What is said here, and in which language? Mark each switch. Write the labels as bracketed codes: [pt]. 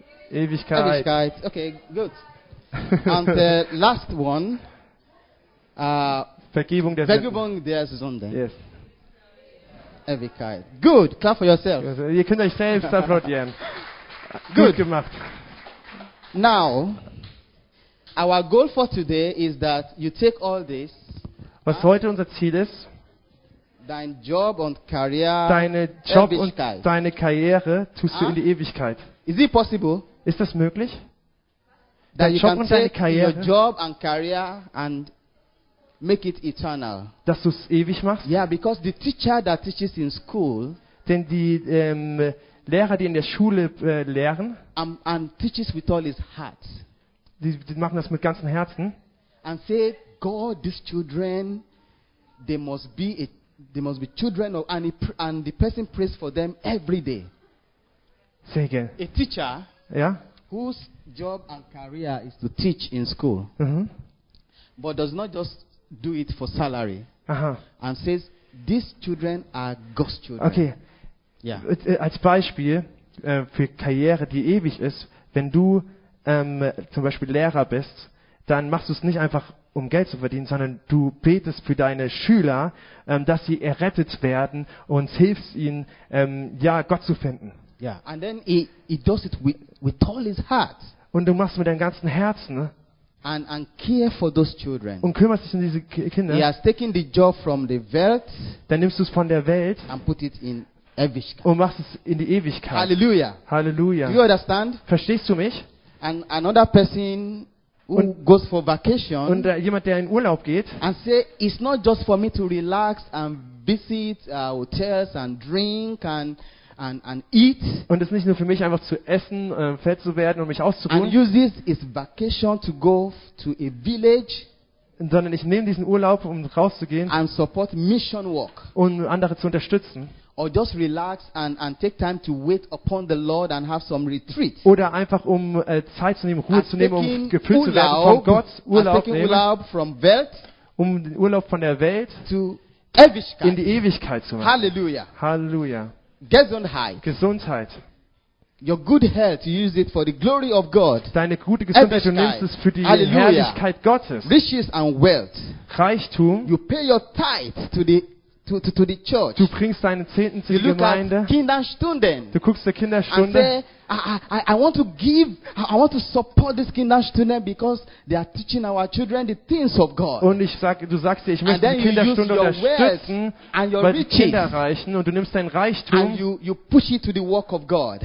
[de] Ewigkeit. [en] Okay, good. And the last one. [de] Vergebung der Sünden. Yes. [en] Ewigkeit. Good. Clap for yourself. [de] Ihr könnt euch selbst applaudieren. [en] Good [de] gemacht. [en] Now, our goal for today is that you take all this. [de] Was heute unser Ziel ist? Dein Job und Karriere. Deine Job und deine Karriere tust du in die Ewigkeit. [en] Is it possible? [de] Ist das möglich? [en] That you can take your job and career and make it eternal. [de] Dass du es ewig machst? [en] Yeah, because the teacher that teaches in school. [de] Denn die Lehrer, die in der Schule lehren, [en] and teaches with all his heart. [de] Die machen das mit ganzem Herzen. [en] And say, God, these children, they must be children of, and the person prays for them every day. Say again. A teacher. Yeah. Whose job and career is to teach in school, but does not just do it for salary, and says these children are God's children. Okay. Yeah. [de] Als Beispiel für Karriere, die ewig ist, wenn du zum Beispiel Lehrer bist, dann machst du es nicht einfach, um Geld zu verdienen, sondern du betest für deine Schüler, dass sie errettet werden und hilfst ihnen, Gott zu finden. [en] Yeah, and then he does it with all his heart. [de] Und du machst mit deinem ganzen Herzen. [en] And care for those children. [de] Und kümmerst dich um diese Kinder. [en] He has taken the job from the Welt. [de] Dann nimmst du es von der Welt. [en] And put it in Ewigkeit. [de] Und machst es in die Ewigkeit. Hallelujah. Hallelujah. [en] Do you understand? [de] Verstehst du mich? [en] And another person who goes for vacation. [de] Und jemand, der in Urlaub geht. [en] And say it's not just for me to relax and visit hotels and drink and eat. [de] Und es ist nicht nur für mich einfach zu essen, fett zu werden und mich auszuruhen. [en] And use this is vacation to go to a village. [de] Sondern ich nehme diesen Urlaub, um rauszugehen. [en] And support mission work. [de] Und andere zu unterstützen. [en] Or just relax and take time to wait upon the Lord and have some retreat. [de] Oder einfach um Zeit zu nehmen, Ruhe zu nehmen, um gefüllt zu werden von Gott. Urlaub nehmen. Urlaub from Welt. Um den Urlaub von der Welt [en] to Ewigkeit. [de] In die Ewigkeit zu machen. Hallelujah. Hallelujah. Gesundheit. [en] Your good health, you use it for the glory of God. [de] Deine gute Gesundheit, du nimmst es für die Halleluja. Herrlichkeit Gottes. [en] Riches and wealth. [de] Reichtum. [en] You pay your tithe to the church. [de] Du bringst deinen Zehnten zur Gemeinde. [en] At Kinderstunden. [de] Du guckst zur Kinderstunde. [en] I want to give, I want to support this Kinderstunden because they are teaching our children the things of God. [de] Und ich sag, du sagst dir, ich möchte die Kinderstunde unterstützen, weil die Kinder reichen und du nimmst dein Reichtum [en] and you push it to the work of God.